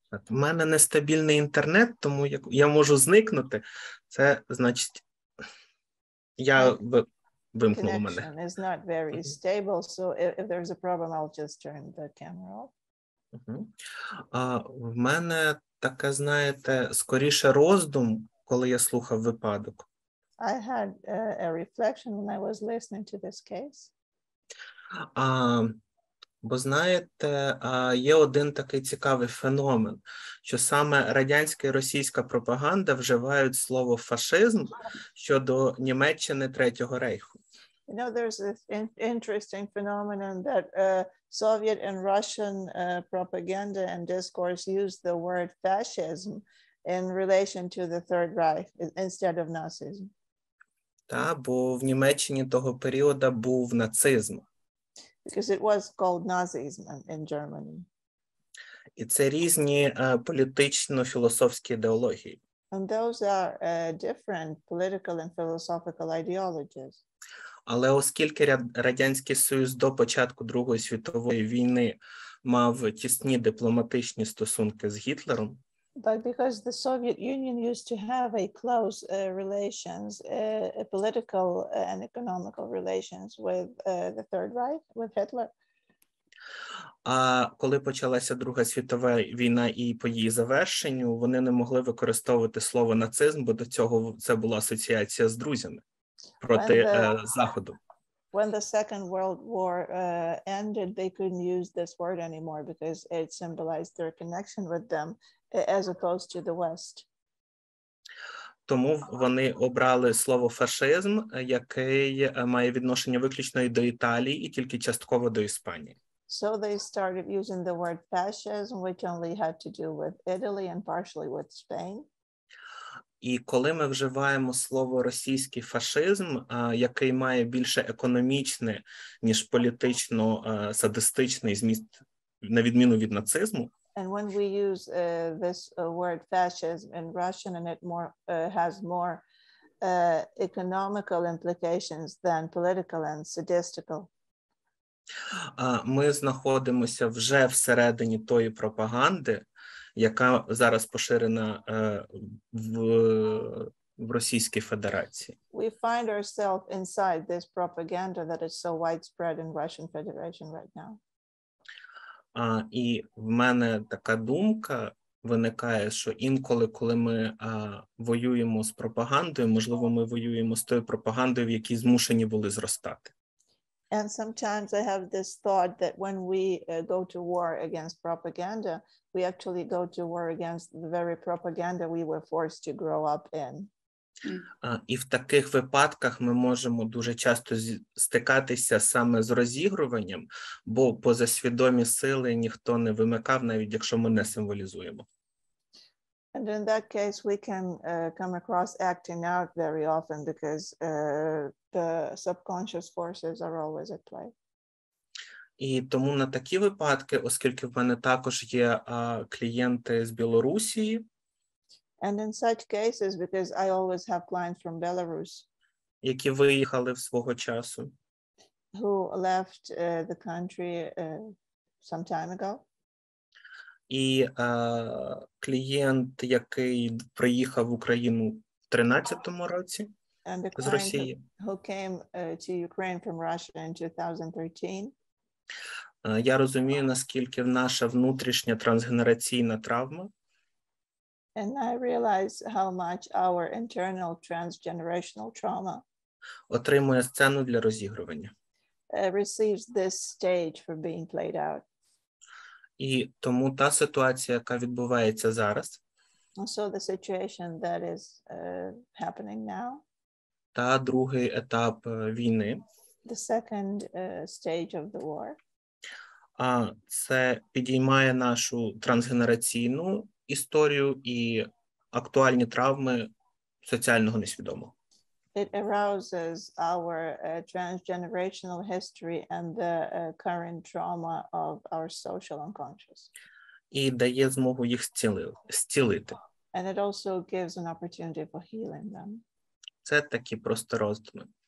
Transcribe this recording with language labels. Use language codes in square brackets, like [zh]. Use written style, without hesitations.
[uk] У мене нестабільний інтернет, тому як я можу зникнути, це значить, я вимкнув мене. [en] Connection is not very stable, so if there's a problem, I'll just turn the camera off. [uk] В мене таке, знаєте, скоріше роздум, коли я слухав випадок. [en] I had a reflection when I was listening to this case. [uk] Бо знаєте, є один такий цікавий феномен, що саме радянська і російська пропаганда вживають слово фашизм щодо Німеччини Третього Рейху. [en] You know, there's this interesting phenomenon that Soviet and Russian propaganda and discourse use the word fascism in relation to the Third Reich instead of Nazism. [uk] Та, бо в Німеччині того періоду був нацизм. [en] Because it was called Nazism in Germany. [uk] І це різні політично-філософські ідеології. [en] And those are different political and philosophical ideologies. [uk] Але оскільки Радянський Союз до початку Другої світової війни мав тісні дипломатичні стосунки з Гітлером, [en] but because the Soviet Union used to have a close relations, a political and economical relations with the Third Reich, with Hitler. [uk] А коли почалася Друга світова війна і по її завершенню, вони не могли використовувати слово нацизм, бо до цього це була асоціація з друзями проти Заходу. [en] When the Second World War ended, they couldn't use this word anymore because it symbolized their connection with them as opposed to the West. [uk] Тому вони обрали слово фашизм, який має відношення виключно до Італії і тільки частково до Іспанії. [en] So they started using the word fascism, which only had to do with Italy and partially with Spain. [uk] І коли ми вживаємо слово російський фашизм, який має більше економічний, ніж політично-садистичний зміст, на відміну від нацизму, [en] and when we use this word fascism in Russian and it more has more economical implications than political and sadistical. [uk] Ми знаходимося вже всередині тої пропаганди, яка зараз поширена в Російській Федерації. [en] We find ourselves inside this propaganda that is so widespread in Russian Federation right now. [uk] І в мене така думка виникає, що інколи, коли ми воюємо з пропагандою, можливо, ми воюємо з тою пропагандою, в якій змушені були зростати. [en] And sometimes I have this thought that when we go to war against propaganda, we actually go to war against the very propaganda we were forced to grow up in. [uk] І в таких випадках ми можемо дуже часто стикатися саме з розігруванням, бо поза свідомі сили ніхто не вимикав, навіть якщо ми не символізуємо. [en] And in that case, we can come across acting out very often because the subconscious forces are always at play. [uk] І тому на такі випадки, оскільки в мене також є клієнти з Білорусі. [en] And in such cases, because I always have clients from Belarus. [uk] Які виїхали в свого часу. [en] Who left the country some time ago. [uk] І клієнт, який приїхав в Україну в 13-му році з Росії. [en] Who came to Ukraine from Russia in 2013. [uk] Я розумію, наскільки наша внутрішня трансгенераційна травма. [en] And I realize how much our internal transgenerational trauma. [uk] отримує сцену для розігрування. [en] Receives this stage for being played out. [uk] І тому та ситуація, яка відбувається зараз, [en] so the situation that is happening now, [uk] та другий етап війни, [en] the second stage of the war, [uk] це підіймає нашу трансгенераційну історію і актуальні травми соціального несвідомого. [en] It arouses our transgenerational history and the current trauma of our social unconscious. [uk] І дає змогу їх зцілити. [en] And it also gives an opportunity for healing them. [uk] Це такі просто роздуми.